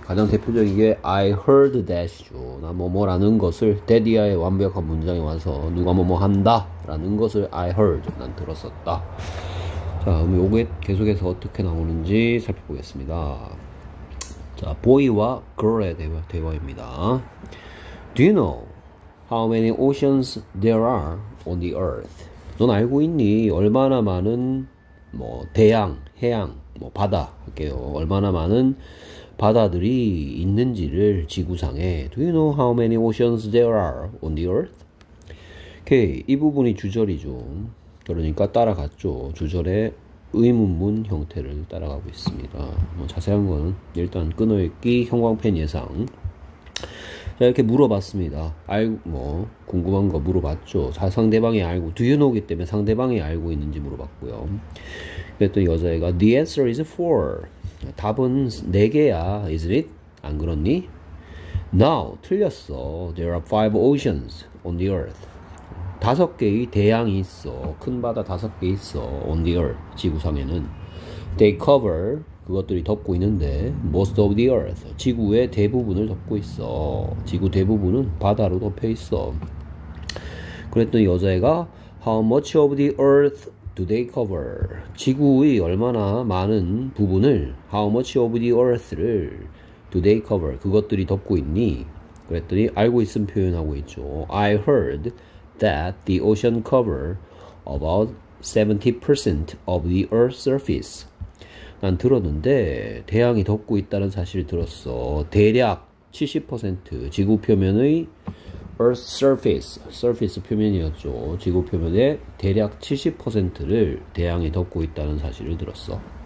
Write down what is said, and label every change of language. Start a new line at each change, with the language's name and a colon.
Korean: 가장 대표적인 게
English: I heard that
Korean: 이죠. 나 뭐뭐라는 것을, 데디아의 완벽한 문장이 와서 누가 뭐뭐 한다라는 것을
English: I heard,
Korean: 난 들었었다. 자, 그럼 요게 계속해서 어떻게 나오는지 살펴보겠습니다. 자, boy와 girl의 대화입니다.
English: Do you know how many oceans there are on the earth?
Korean: 넌 알고 있니? 얼마나 많은 뭐 대양, 해양, 뭐 바다 할게요. 얼마나 많은 바다들이 있는지를 지구상에.
English: Do you know how many oceans there are on the earth?
Korean: 오케이, 이 부분이 주절이죠. 그러니까 따라갔죠. 주절의 의문문 형태를 따라가고 있습니다. 뭐 자세한 거는 일단 끊어읽기, 형광펜 예상. 자, 이렇게 물어봤습니다. 알고, 뭐 궁금한 거 물어봤죠. 자, 상대방이 알고, Do you know이기 때문에 상대방이 알고 있는지 물어봤고요. 그랬더니 여자애가
English: The answer is four.
Korean: 답은 네 개야,
English: is it?
Korean: 안 그렇니?
English: No,
Korean: 틀렸어.
English: There are five oceans on the earth.
Korean: 다섯 개의 대양이 있어. 큰 바다 다섯 개 있어.
English: On the earth,
Korean: 지구상에는.
English: They cover,
Korean: 그것들이 덮고 있는데,
English: most of the earth,
Korean: 지구의 대부분을 덮고 있어. 지구 대부분은 바다로 덮여 있어. 그랬더니 여자애가
English: How much of the earth do they cover?
Korean: 지구의 얼마나 많은 부분을,
English: How much of the earth를 do they cover?
Korean: 그것들이 덮고 있니? 그랬더니 알고 있음 표현하고 있죠.
English: I heard that the ocean cover about 70% of the earth's surface.
Korean: 난 들었는데, 대양이 덮고 있다는 사실을 들었어. 대략 70% 지구 표면의 Earth surface 표면이었죠. 지구 표면의 대략 70%를 대양이 덮고 있다는 사실을 들었어.